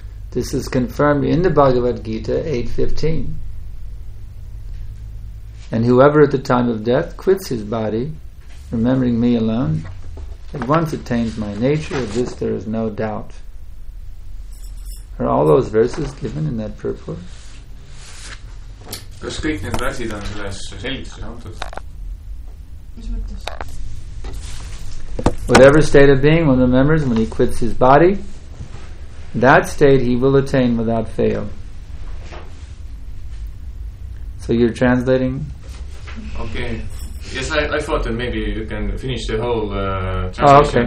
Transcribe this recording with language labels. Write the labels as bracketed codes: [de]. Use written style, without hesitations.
[en] This is confirmed in the Bhagavad Gita 8:15. And whoever at the time of death quits his body, remembering me alone, at once attains my nature, of this there is no doubt. Are all those verses given in that purport? [et] Kas kõik need väsid on selles selgituses antud? Mis mõttes? [en] Whatever state of being one remembers when he quits his body, that state he will attain without fail. So you're translating? Okay. Yes, I thought that maybe you can finish the whole translation